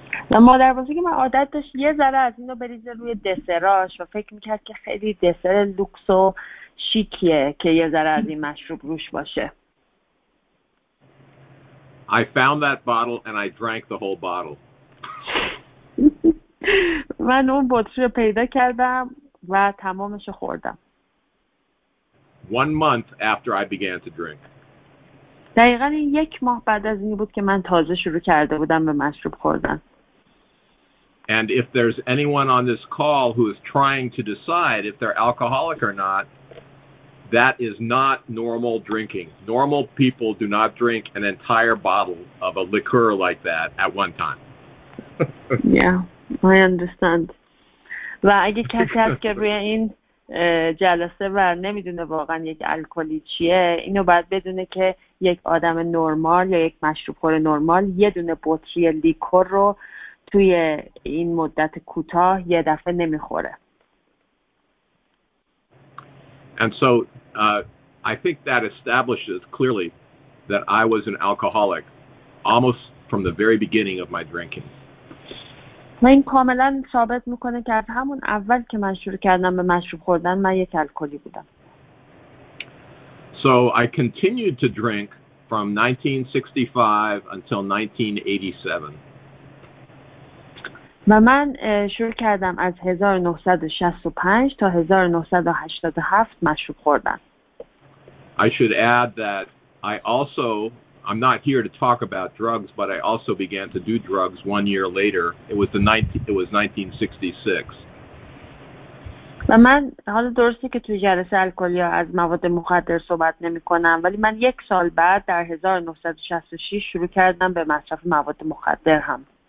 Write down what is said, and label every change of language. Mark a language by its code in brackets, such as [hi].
[fa] و مادر بزرگی من عادت داشت یه ذره از اینو بریزه روی دسراش و فکر میکرد که خیلی دسر لوکس و شیکیه که یه ذره از این مشروب روش باشه. [en] I found that bottle and I drank the whole bottle. [fa] من اون بطری رو پیدا کردم و تمامش رو خوردم. [en] 1 month after I began to drink. [fa] دقیقا یک ماه بعد از این بود که من تازه شروع کرده بودم به مشروب خوردن. [en] And if there's anyone on this call who is trying to decide if they're alcoholic or not, that is not normal drinking. Normal people do not drink an entire bottle of a liqueur like that at one time. Yeah, I understand. [fa] و اگه کسی هست که روی این جلسه و نمیدونه واقعا یک الکلی چیه، اینو باید بدونه که یک آدم نرمال یا یک مشروب خور نرمال یه دونه بطری لیکور رو توی این مدت کوتاه یه دفعه نمیخوره. [en] And so I think that establishes clearly that I was an alcoholic almost from the very beginning of my drinking. [fa] من کاملا ثابت میکنه که از همون اول که من شروع کردم به مشروب خوردن من یک الکلی بودم. [en] So I continued to drink from 1965 until 1987. [fa] و من شروع کردم از 1965 تا 1987 مشروب خوردن. [en] I should add that I'm not here to talk about drugs, but I also began to do drugs 1 year later. It was 1966. [fa] و من حالا درسته که توی جلسه الکلی از مواد مخدر صحبت نمی کنم ولی من یک سال بعد در 1966 شروع کردم به مصرف مواد مخدر هم.